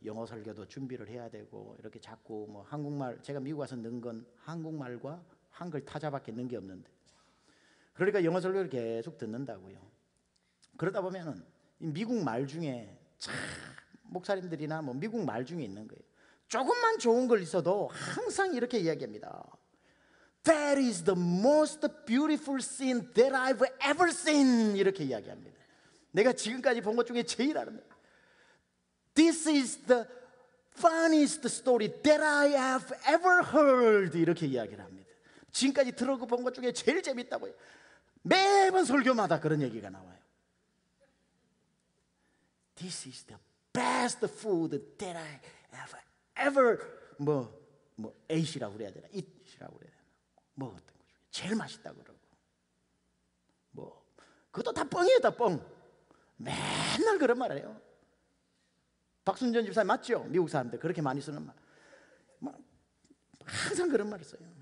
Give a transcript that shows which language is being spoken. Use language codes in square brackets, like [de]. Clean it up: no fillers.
[ko] 영어 설교도 준비를 해야 되고 이렇게 자꾸 뭐 한국말, 제가 미국 와서 넣은 건 한국말과 한글 타자밖에 넣은 게 없는데. 그러니까 영어 설교를 계속 듣는다고요. 그러다 보면은 미국 말 중에 참 목사님들이나 뭐 미국 말 중에 있는 거예요. 조금만 좋은 걸 있어도 항상 이렇게 이야기합니다. [en] That is the most beautiful scene that I've ever seen. [ko] 이렇게 이야기합니다. 내가 지금까지 본 것 중에 제일 아름다워. [en] This is the funniest story that I have ever heard. [ko] 이렇게 이야기를 합니다. 지금까지 들어 본 것 중에 제일 재밌다고요. 매번 설교마다 그런 얘기가 나와요. [en] This is the best food that I have ever [ko] 뭐 eat이라고 그래야 되나? eat이라고 그래야 되나? 먹었던 것 중에 제일 맛있다고 그러고. 뭐 그것도 다 뻥이에요, 다 뻥. 맨날 그런 말을 해요. 박순전 집사님 맞죠? 미국 사람들 그렇게 많이 쓰는 말. 항상 그런 말을 써요.